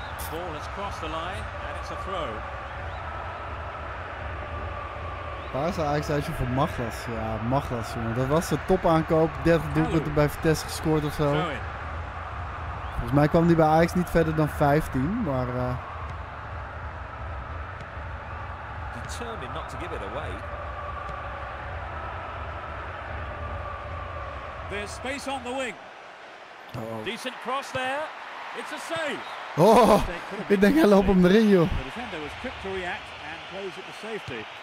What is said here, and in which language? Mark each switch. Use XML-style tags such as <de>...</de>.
<en>Ball has crossed the line and it's a throw.</en> <nl>Waar is hij eigenlijk uitje voor Maglas? Ja, Maglas, jongen. Dat was de topaankoop. 30 doelpunten bij Vitesse gescoord of zo. Volgens mij kwam die bij Ajax niet verder dan 15, maar.</nl> <en>Determined not to give it away. There's space on the wing. Uh-oh. Decent cross there. It's a save.</en> <nl>Oh, ik denk hij loopt hem erin, joh.</nl> <en>The defender was quick to react and close at the safety.</en>